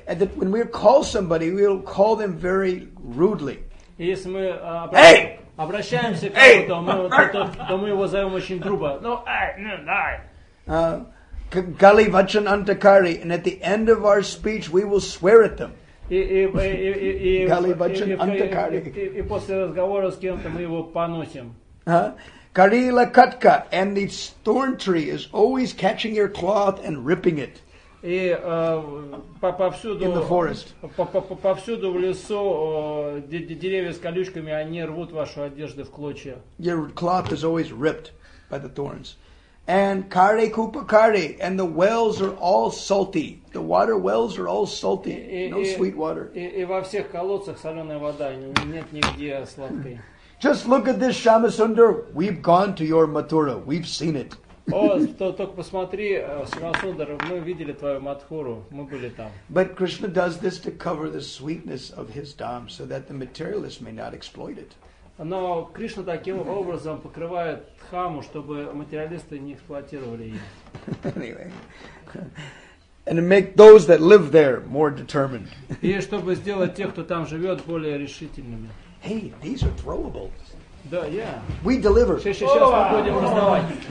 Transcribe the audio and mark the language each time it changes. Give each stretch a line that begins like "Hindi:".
English: And that when we call somebody, we'll call them very rudely.
Russian: Если мы обращаемся к кому-то, то мы его зовем очень грубо.
Bangla: Gali vachan antakari.
English: And at the end of our speech, we will swear at them.
Bangla: Gali vachan antakari.
Russian: И после разговора с кем-то мы его поносим.
Bangla: Karila katka.
English: And the thorn tree is always catching your cloth and ripping it.
Russian: И повсюду,
English: in the forest.
Russian: Повсюду в лесу деревья с колючками, они рвут вашу одежду в клочья.
English: Your cloth is always ripped by the thorns. And
Bangla: kare kupa kare,
English: and the wells are all salty. The water wells are all salty. No sweet water.
Russian: И во всех колодцах соленая вода, нет нигде сладкой.
English: Just look at this, Shamasundar. We've gone to your Mathura. We've seen it.
Russian: Только посмотри, Шрасундар, мы видели твою Матхуру, мы были там.
English: But Krishna does this to cover the sweetness of his dham, so that the materialist may not exploit it.
Russian: Но Кришна таким образом покрывает дхаму, чтобы материалисты не эксплуатировали ее.
English: Anyway. And to make those that live there more determined.
Russian: И чтобы сделать тех, кто там живет, более решительными.
English: Hey, these are throwable.
Russian: Да, yeah.
English: We deliver.
Russian: Сейчас мы будем раздавать.